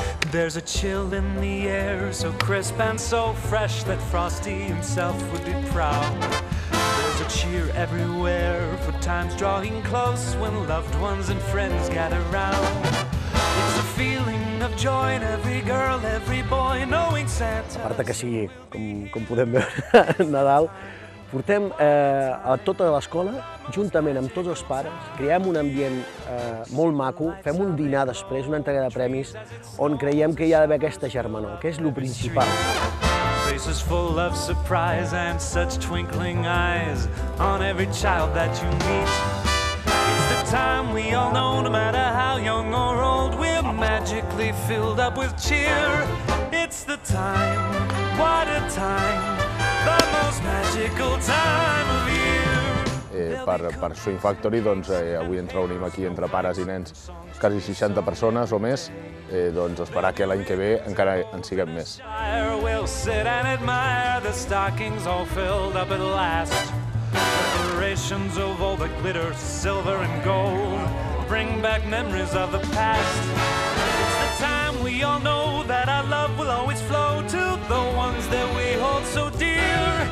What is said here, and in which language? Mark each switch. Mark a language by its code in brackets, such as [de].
[en] There's a chill in the air, so crisp and so fresh that Frosty himself would be proud. Cheer everywhere, for time's drawing close when loved ones and friends gather round. It's a feeling of joy in every girl, every boy, knowing Santa. [ca] A part que sigui, com podem veure, Nadal, portem a tota l'escola, juntament amb tots els pares, creem un ambient molt maco, fem un dinar després, una entrega de premis, on creiem que hi ha d'haver aquesta germanor, que és el principal. [en] Faces full of surprise and such twinkling eyes on every child that you meet. It's the time we all know, no matter how young or old, we're magically filled up with cheer. It's the time, what a time, the most magical time of year. [ca] Per Swing Factory, doncs, avui ens reunim aquí entre pares i nens, quasi 60 persones o més, doncs esperar que l'any que ve encara en siguem més. [en] We'll sit and admire the stockings all filled up at last. Decorations of all the glitter, silver and gold, bring back memories of the past. It's the time we all know that our love will always flow to the ones that we hold so dear.